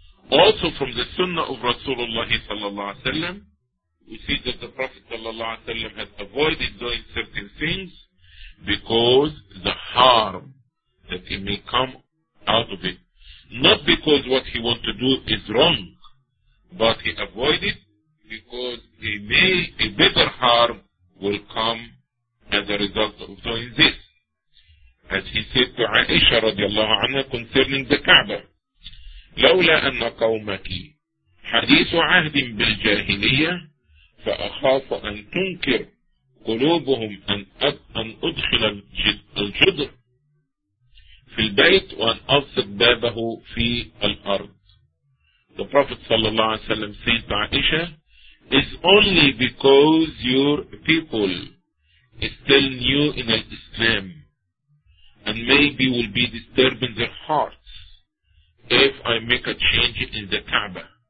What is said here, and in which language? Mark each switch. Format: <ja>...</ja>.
<en>Also from the sunnah of Rasulullah sallallahu alaihi wasallam, we see that the Prophet sallallahu alaihi wasallam had avoided doing certain things because the harm that he may come out of it. Not because what he want to do is wrong, but he avoided because he may a better harm will come as a result of doing this. As he said to Aisha radiallahu anha concerning the Kaaba,</en> <ar>لولا أن قومك حديث عهد بالجاهلية فأخاف أن تنكر قلوبهم أن أدخل الجدر في البيت وأن ألصق بابه في الأرض.</ar> <en>The Prophet</en> <ar>صلى الله عليه وسلم</ar> <en>said to Aisha, it's only because your people is still new in Islam and maybe will be disturbing their hearts if I make a change in the Kaaba.</en>